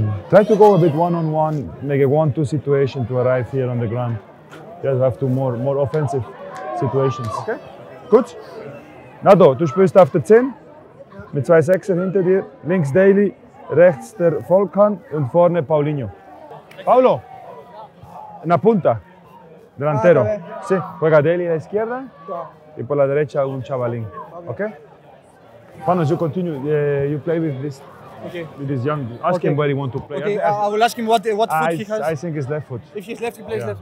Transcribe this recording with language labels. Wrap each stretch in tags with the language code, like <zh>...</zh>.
<en>Try to go a bit one-on-one, make a 1-2 situation to arrive here on the ground. You have to more offensive situations. Okay.</en> <de>Gut. Nado, du spielst auf der 10 mit 2 Sechser hinter dir. Links Daly, rechts der Volkan und vorne Paulinho. Paolo,</de> <es>una punta. Delantero. Sí. Juega Deli a la izquierda. Y por la derecha un chavalín.</es> <en>Ok. Fanos, you continue. You play with this. Okay. With this young. Ask him where he want to play. Okay. I will ask him what foot he has. I think it's left foot. If he's left, he plays left.</en>